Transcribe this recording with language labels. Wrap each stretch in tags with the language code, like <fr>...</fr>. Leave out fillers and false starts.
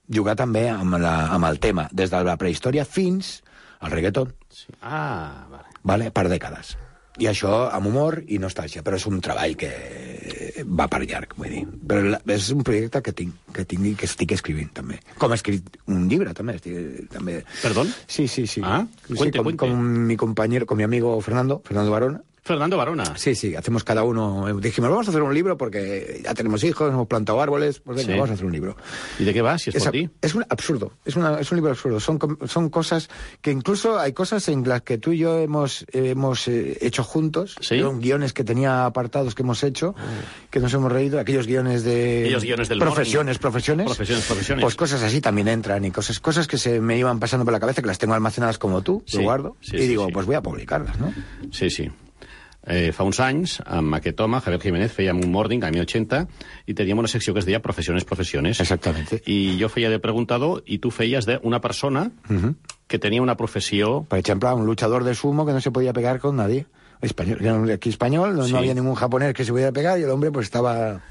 <ca>Jugar també amb el tema, des de la prehistòria fins al reggaeton. Sí. Ah, vale. Vale, per dècades. I això amb humor i nostàlgia, però és un treball que va per llarg, vull dir. Però és un projecte que tinc i que estic escrivint, també. Com he escrit un llibre, també.</ca> <es>Perdón? Sí, sí, sí. Ah, cuente, sí, com mi compañero, con mi amigo Fernando Barona. Fernando Barona. Sí, sí, hacemos cada uno... Dijimos, vamos a hacer un libro porque ya tenemos hijos, hemos plantado árboles, pues venga, sí. Vamos a hacer un libro. ¿Y de qué va, si es por ti? Es un absurdo, es un libro absurdo. Son cosas que incluso hay cosas en las que tú y yo hemos hecho juntos. Sí. Son guiones que tenía apartados que hemos hecho, que nos hemos reído, aquellos guiones de... Aquellos guiones del profesiones, morning. Profesiones. Profesiones, profesiones. Pues cosas así también entran y cosas que se me iban pasando por la cabeza, que las tengo almacenadas como tú, sí. Lo guardo, sí, y sí, digo, sí. Pues voy a publicarlas, ¿no? Sí, sí.</es> <ca>Fa uns anys, amb aquest home, Javier Jiménez, fèiem un morning, any 80, i teníem una secció que es deia Profesiones, Profesiones. Exactament. I jo feia de preguntador i tu feies d'una persona que tenia una professió... Per exemple,</ca> <es>un luchador de sumo que no se podia pegar con nadie.</es> <ca>Espanyol, aquí espanyol, no, sí. No havia ningú japonès que se podia pegar i l'home pues estava...</ca>